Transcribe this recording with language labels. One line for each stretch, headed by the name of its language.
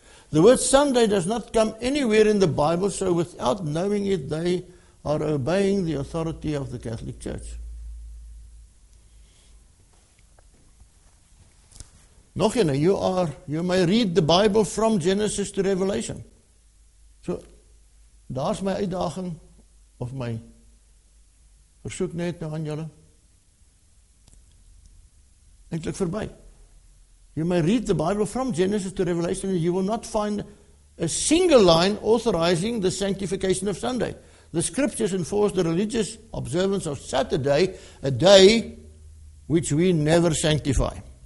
English: The word Sunday does not come anywhere in the Bible, so without knowing it, they are obeying the authority of the Catholic Church.
Afrikaans: Nog ene,
English: you may read the Bible from Genesis to Revelation.
Afrikaans: So, daar's my uitdaging, of my versoek net nou aan julle. Eintlik verby.
English: You may read the Bible from Genesis to Revelation and you will not find a single line authorizing the sanctification of Sunday. The scriptures enforce the religious observance of Saturday, a day which we never sanctify.